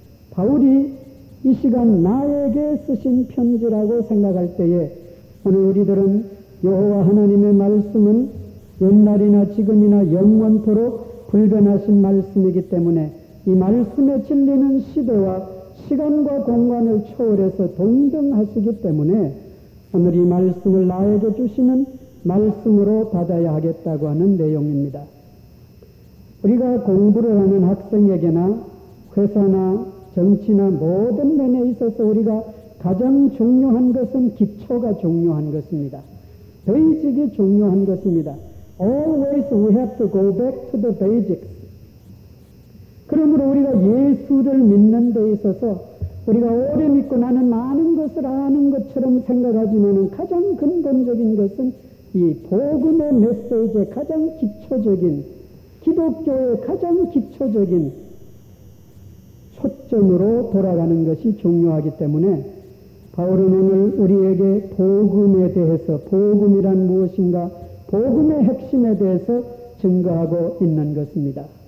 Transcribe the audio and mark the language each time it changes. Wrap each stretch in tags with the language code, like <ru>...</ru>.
<ko>바울이 이 시간 나에게 쓰신 편지라고 생각할 때에 오늘 우리들은 여호와 하나님의 말씀은 옛날이나 지금이나 영원토록 불변하신 말씀이기 때문에 이 말씀의 진리는 시대와 시간과 공간을 초월해서 동등하시기 때문에 오늘 이 말씀을 나에게 주시는 말씀으로 받아야 하겠다고 하는 내용입니다. 우리가 공부를 하는 학생에게나 회사나 정치나 모든 면에 있어서 우리가 가장 중요한 것은 기초가 중요한 것입니다. 베이직이 중요한 것입니다.</ko> <en>Always we have to go back to the basics.</en> <ko>그러므로 우리가 예수를 믿는 데 있어서 우리가 오래 믿고 나는 많은 것을 아는 것처럼 생각하지만은 가장 근본적인 것은 이 복음의 메시지의 가장 기초적인 기독교의 가장 기초적인 초점으로 돌아가는 것이 중요하기 때문에 바울은 오늘 우리에게 복음에 대해서 복음이란 무엇인가 복음의 핵심에 대해서 증거하고 있는 것입니다.</ko>